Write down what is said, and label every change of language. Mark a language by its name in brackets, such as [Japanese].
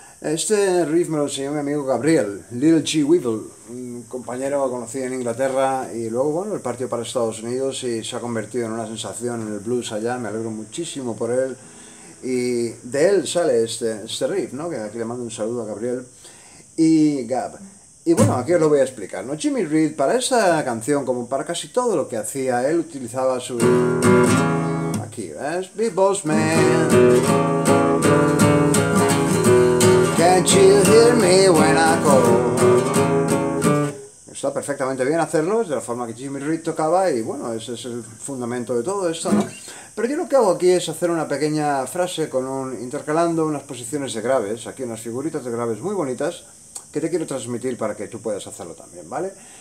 [Spanish] Este riff me lo enseñó mi amigo Gabriel, Little G. Weevle, un compañero que conocí en Inglaterra, y luego, bueno, él partió para Estados Unidos y se ha convertido en una sensación en el blues allá. Me alegro muchísimo por él. Y de él sale este riff, ¿no? Que aquí le mando un saludo a Gabriel y Gab. Y bueno, aquí os lo voy a explicar, ¿no? Jimmy Reed, para esa canción, como para casi todo lo que hacía, él utilizaba su... Aquí, ¿ves? [English] Big Boss Man, can't you hear me when I call? [Spanish] Está perfectamente bien hacerlo, es de la forma que Jimmy Reed tocaba, y bueno, ese es el fundamento de todo esto, ¿no? Pero yo lo que hago aquí es hacer una pequeña frase con intercalando unas posiciones de graves, aquí unas figuritas de graves muy bonitas, que te quiero transmitir para que tú puedas hacerlo también, ¿vale?